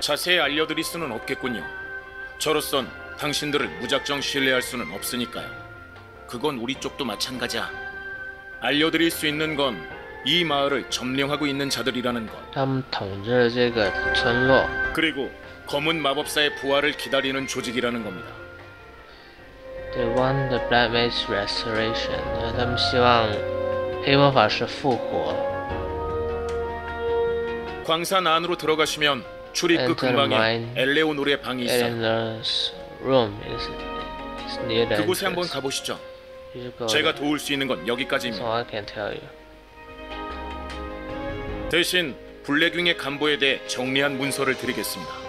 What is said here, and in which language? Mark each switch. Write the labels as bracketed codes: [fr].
[ko] 자세히 알려드릴 수는 없겠군요. 저로선 당신들을 무작정 신뢰할 수는 없으니까요. 그건 우리 쪽도 마찬가지야. 알려드릴 수 있는 건 이 마을을 점령하고 있는 자들이라는 것. [zh] 他们统治这个村落. [ko] 그리고 검은 마법사의 부활을 기다리는 조직이라는 겁니다. [en] They want the Black Mage Restoration. [zh] 他们希望黑魔法师复活. [ko] 광산 안으로 들어가시면 출입구 근방에 엘레오노르의 방이 있어. [en] Eleanor's room is near the entrance. [ko] 그곳에 한번 가보시죠. 제가 도울 수 있는 건 여기까지입니다. 대신 블랙윙의 간부에 대해 정리한 문서를 드리겠습니다.